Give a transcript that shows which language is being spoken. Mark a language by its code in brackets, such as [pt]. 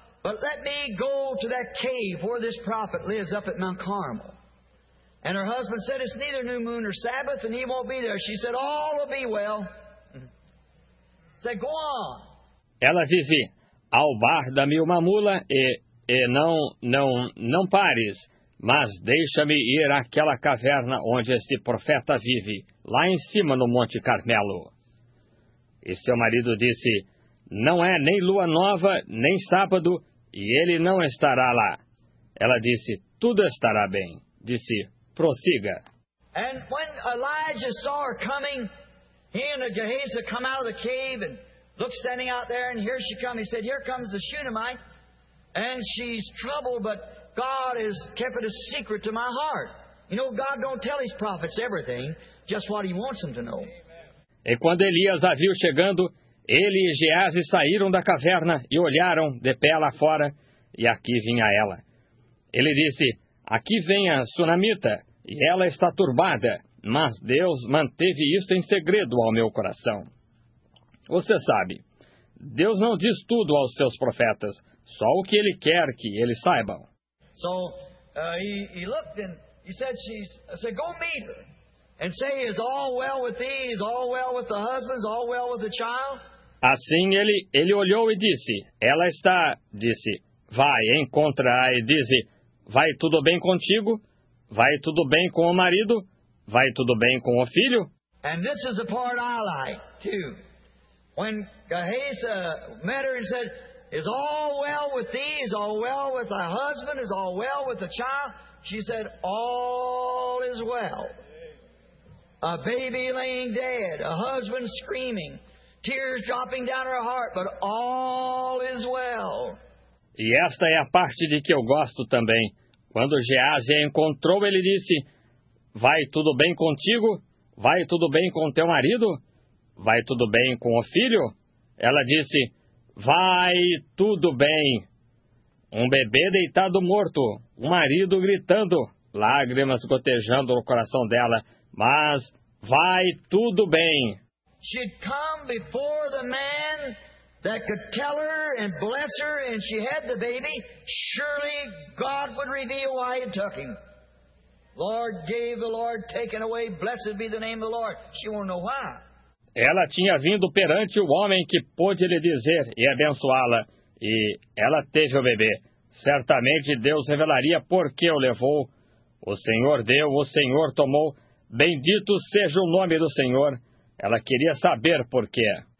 [en] But let me go to that cave where this prophet lives up at Mount Carmel. And her husband said, it's neither new moon nor Sabbath, and he won't be there. She said, all will be well. Said, go on. [pt] Ela disse, albarda-me uma mula e não pares, mas deixa-me ir àquela caverna onde este profeta vive, lá em cima no Monte Carmelo. E seu marido disse, não é nem lua nova, nem sábado, e ele não estará lá. Ela disse, tudo estará bem. Disse, prossiga. [en] And when Elijah saw her coming, he and Gehazi come out of the cave and look standing out there, and here she comes. He said, here comes the Shunammite. And she's troubled, but God has kept it a secret to my heart. You know, God don't tell his prophets everything, just what he wants them to know. [pt] E quando Elias a viu chegando, ele e Gehazi saíram da caverna e olharam de pé lá fora, e aqui vinha ela. Ele disse, aqui vem a sunamita, e ela está turbada, mas Deus manteve isto em segredo ao meu coração. Você sabe, Deus não diz tudo aos seus profetas, só o que ele quer que eles saibam. [en] So, he looked and he said, go meet her. And say, is all well with thee? Is all well with the husbands? All well with the child? [pt] Assim ele olhou e disse, ela está, disse, vai, encontra-a e disse, vai tudo bem contigo? Vai tudo bem com o marido? Vai tudo bem com o filho? [en] And this is the part I like too. When Gehazi met her and said, "Is all well with thee? Is all well with thy husband? Is all well with the child?" She said, "All is well. A baby laying dead, a husband screaming, tears dropping down her heart, but all is well." [pt] E esta é a parte de que eu gosto também. Quando Geazi a encontrou, ele disse, "Vai tudo bem contigo? Vai tudo bem com teu marido? Vai tudo bem com o filho?" Ela disse, "Vai tudo bem." Um bebê deitado morto, o marido gritando, lágrimas gotejando no coração dela, mas vai tudo bem. [en] She'd come before the man that could tell her and bless her, and she had the baby. Surely God would reveal why he took him. Lord gave, the Lord taken away. Blessed be the name of the Lord. She won't know why. [pt] Ela tinha vindo perante o homem que pôde lhe dizer e abençoá-la, e ela teve o bebê. Certamente Deus revelaria por que o levou. O Senhor deu, o Senhor tomou. Bendito seja o nome do Senhor. Ela queria saber por quê.